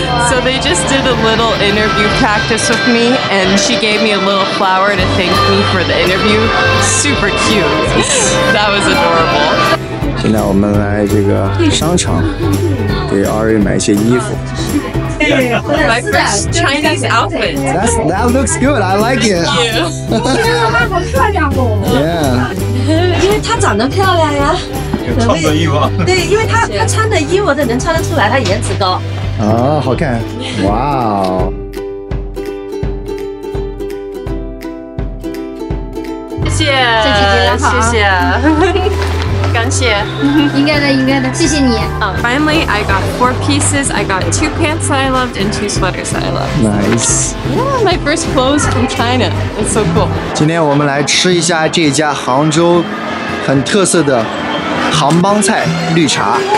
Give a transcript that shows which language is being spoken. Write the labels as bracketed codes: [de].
[en] So they just did a little interview practice with me, and she gave me a little flower to thank me for the interview. Super cute. That was adorable. [zh] 现在我们来这个商场，给阿瑞买一些衣服。 [en] My first Chinese outfit. That looks good. I like it. Thank you. [zh] Wow, 好漂亮哦。 [en] Yeah. [zh] 长得漂亮呀，有创作欲望。对，因为他穿的衣服，他能穿得出来，他颜值高。啊，好看，哇哦！谢谢。 [en] Finally, I got four pieces. I got two pants that I loved and two sweaters that I loved. Nice. Yeah, my first clothes from China. It's so cool. [zh] 今天我们来吃一下这家杭州很特色的杭帮菜绿茶。